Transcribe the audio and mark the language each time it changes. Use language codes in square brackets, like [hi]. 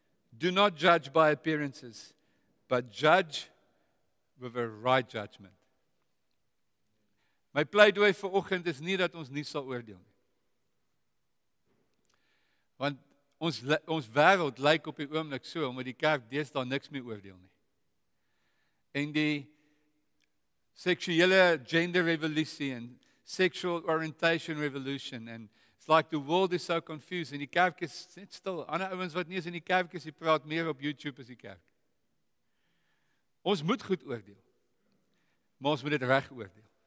[en] Do not judge by appearances, but judge with a right judgment. [af] My pleidooi vir oggend is nie dat ons nie sal oordeel nie. Want ons wêreld lyk op die oomblik so, omdat die kerk deesdae niks meer oordeel nie. En die seksuele [en] gender revolution en sexual orientation revolution, and it's like the world is so confused, [af] en die kerk is net stil. Ander ouens wat nie is in die kerk is, die praat meer op YouTube as die kerk. Ons moet goed oordeel, maar ons moet dit reg oordeel.